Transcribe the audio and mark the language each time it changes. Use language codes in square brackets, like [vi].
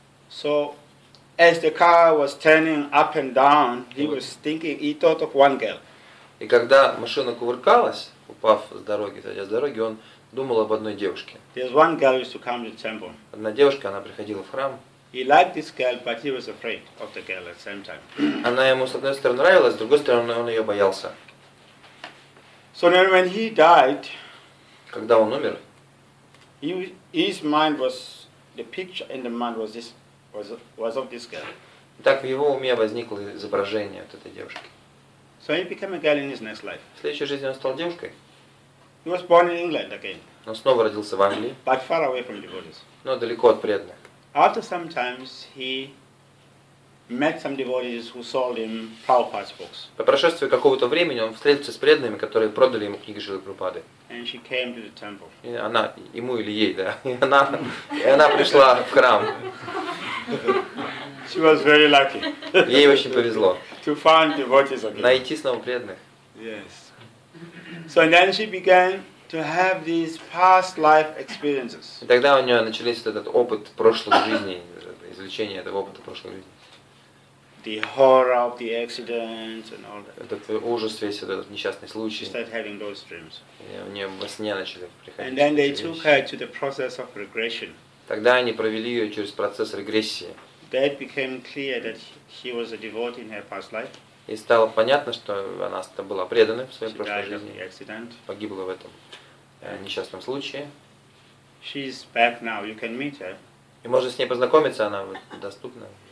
[en] So, as the car was turning up and down, he was thinking, he thought of one girl. [ru] И когда машина кувыркалась, упав с дороги, сойдя с дороги, он думал об одной девушке. [en] There's one girl used to come to the temple. [ru] Одна девушка, она приходила в храм. [en] He liked this girl, but he was afraid of the girl at the same time. [ru] Она ему с одной стороны нравилась, с другой стороны он ее боялся. [en] So then when he died, [ru] когда он умер, [en] his mind was the picture in the mind was this was of this girl. [ru] Так в его уме возникло изображение от этой девушки. [en] So he became a girl in his next life. [ru] В следующей жизни он стал девушкой. [en] He was born in England again. [ru] Но снова родился в Англии. [en] But far away from the devotees. [ru] Но далеко от преданных. [en] After some times he met some devotees who sold him Prabhupada's books. [ru] По прошествии какого-то времени он встретился с преданными, которые продали ему книги Шрилы Прабхупады. [en] And she came to the temple. [ru] И она ему или ей, да? И она пришла в храм. [en] She was very lucky. [ru] Ей очень повезло. [en] To find devotees again. [ru] Найти снова преданных. [en] Yes. So then she began to have these past life experiences. [ru] И тогда у нее начался этот опыт прошлой жизни, извлечение этого опыта прошлой жизни. [en] The horror of the accident and all that. [ru] Этот ужас весь этот несчастный случай. [en] She started having those dreams. [ru] У нее во сне начали приходить. [en] And then they took her to the process of regression. [ru] Тогда они провели ее через процесс регрессии. [en] That became clear that he was a devotee in her past life. [ru] И стало понятно, что она была преданной в своей [en] she [ru] прошлой жизни. [en] Accident. [ru] Погибла в этом несчастном случае. [en] She's back now. You can meet her. [ru] И можно с ней познакомиться, она доступна.